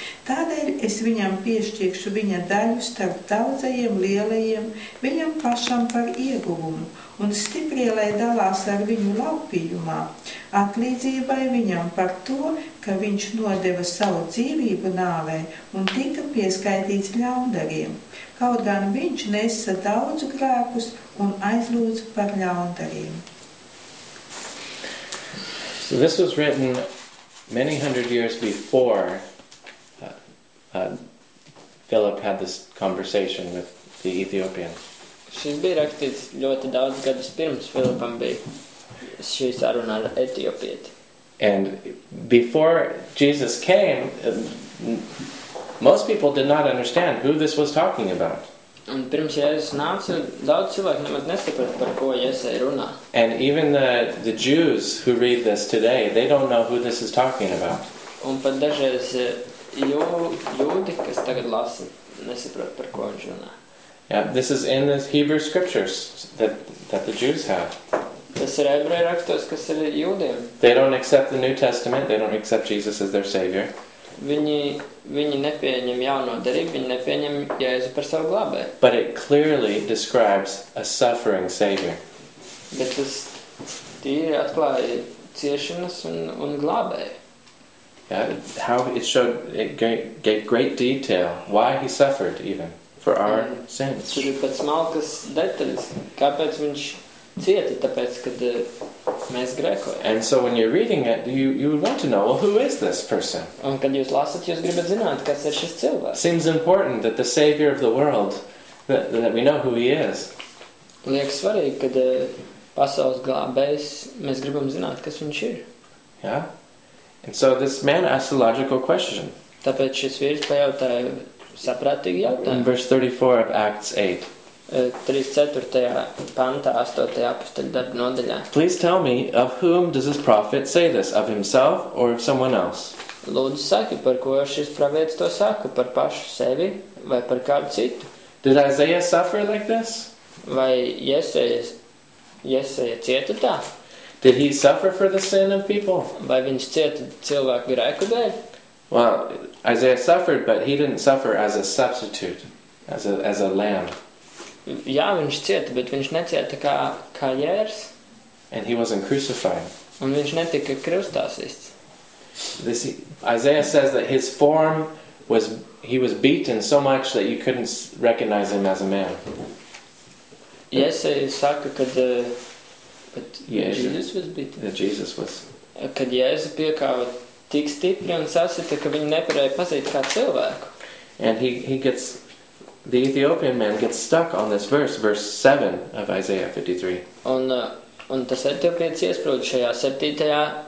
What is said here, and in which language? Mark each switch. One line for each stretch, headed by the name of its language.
Latvian: Tādēļ es viņam piešķiekšu viņa daļu starp daudzajiem lielajiem, viņam pašam par ieguvumu, un stiprie, lai dalās ar viņu laupījumā, atlīdzībai viņam par to, ka viņš nodeva savu dzīvību nāvē un tika pieskaitīts ļaundariem, kaut gan viņš nesa daudz grēkus un aizlūdza par ļaundariem.
English: So this was written many hundred years before Philip had this conversation with the Ethiopian.
Latvian: Šis bija rakstīts ļoti daudz gadus pirms Filipam bija šī saruna ar Etiopieti.
English: And before Jesus came, most people did not understand who this was talking about.
Latvian: Un pirms Jēzus nāca, daudz cilvēku nemaz nesaprata, par ko Jēzus runā.
English: And even the Jews who read this today, they don't know who this is talking about.
Latvian: Un pat dažreiz jūdi, kas tagad lasa, nesaprata, par ko viņš runā.
English: Yeah, this is in the Hebrew scriptures that the Jews have.
Latvian: Tas ir ebreju rakstos, kas ir jūdiem.
English: They don't accept the New Testament, they don't accept Jesus as their savior.
Latvian: Viņi nepieņem jauno derību, viņi nepieņem Jēzu par savu glābē.
English: But it clearly describes a suffering savior.
Latvian: Bet tas tīri atklāja ciešanas un glābē.
English: Yeah, how it showed, it gave great detail why he suffered even. For our sins.
Latvian: Tur ir pēc smalkas detaļas, kāpēc viņš cieta, tāpēc, kad mēs grēkojam.
English: And so when you're reading it, you want to know, well, who is this person?
Latvian: Un kad jūs lasat, jūs gribat zināt, kas ir šis cilvēks.
English: Seems important that the savior of the world, that we know who he is.
Latvian: Liek svarīgi, kad pasaules glābējs, mēs gribam zināt, kas viņš ir.
English: Yeah? And so this man asked a logical question.
Latvian: Tāpēc šis vīrs pajautāja, saprātīgi jautājumu.
English: In verse 34 of Acts 8.
Latvian: 34. Pantā, 8. Apustaļu darba nodaļā.
English: Please tell me, of whom does this prophet say this? Of himself or of someone else?
Latvian: Lūdzu saki, par ko šis pravietis to saka? Par pašu sevi vai par kādu citu?
English: Did Isaiah suffer like this?
Latvian: Vai Jesaja cieta tā?
English: Did he suffer for the sin of people?
Latvian: Vai viņš cieta cilvēku grēku dēļ?
English: Well, Isaiah suffered, but he didn't suffer as a substitute, as a lamb.
Latvian: Jā, viņš cieta, bet viņš necieta kā jērs.
English: And he wasn't crucified.
Latvian: Un viņš netika krustāsists.
English: This Isaiah says that his form was, he was beaten so much that you couldn't recognize him as a man.
Latvian: Jēzus saka, kad Jēzus
English: was beaten. That Jēzus was.
Latvian: Kad Jēzus piekāva tik stipri un sasita, ka viņi neparēja pazīt kā cilvēku.
English: And he gets, the Ethiopian man gets stuck on this verse 7 of Isaiah 53.
Latvian: Un tas Etiopietis iesprūda šajā 7.